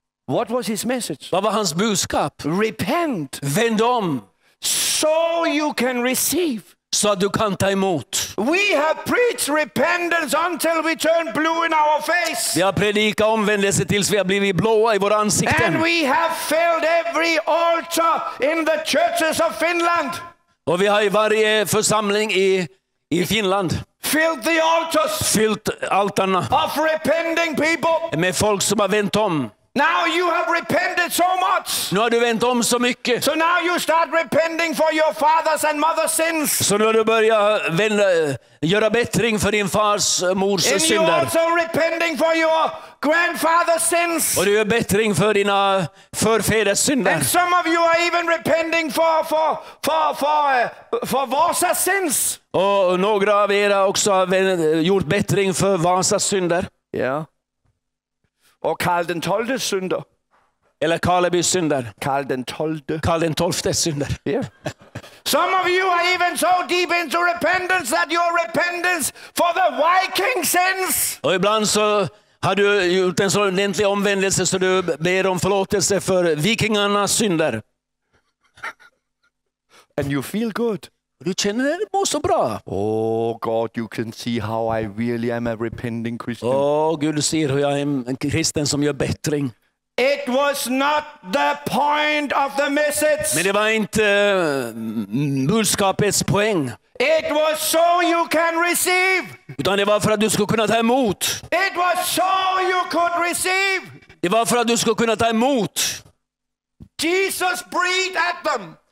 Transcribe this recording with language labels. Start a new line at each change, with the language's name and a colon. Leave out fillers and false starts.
English: What was his message?
Swedish: Vad var hans budskap?
English: Repent.
Swedish: Vänd om.
English: So you can receive.
Swedish: Så att du kan ta emot.
English: We have preached repentance until we turn blue in our face.
Swedish: Vi har predikat omvändelse tills vi har blivit blåa I våra ansikten.
English: And we have filled every altar in the churches of Finland.
Swedish: Och vi har I varje församling I Finland.
English: Filled the altars.
Swedish: Fyllt altarna.
English: Of repenting people.
Swedish: Med folk som har vänt om.
English: Now you have repented so much.
Swedish: Nu har du vänt om så mycket.
English: So now you start repenting for your father's and mother's sins.
Swedish: Så nu har du börjat göra bättring för din fars mors
English: and
Swedish: synder.
English: And you also repenting for your grandfather's sins.
Swedish: Och du gör bättring för dina förfäders synder.
English: And some of you are even repenting for Vasa's sins.
Swedish: Och några av er också har gjort bättring för Vasas synder. Ja. Yeah. Och Karl den tolftes synder. Eller Karlebys synder. Karl den tolfte. Karl den tolftes synder.
English: Yeah. Some of you are even so deep into repentance that your repentance for the Viking sins.
Swedish: Och ibland så har du gjort en sån ordentlig omvändelse så du ber om förlåtelse för vikingarnas synder.
English: And you feel good.
Swedish: Du känner dig må så bra.
English: Oh God, you can see how I really am a repenting Christian.
Swedish: Oh Gud, du ser hur jag är en kristen som gör bättring.
English: It was not the point of the message.
Swedish: Men det var inte budskapets poäng.
English: It was so you can receive.
Swedish: Utan det var för att du skulle kunna ta emot.
English: It was so you could receive.
Swedish: Det var för att du skulle kunna ta emot.
English: Jesus breathed at them.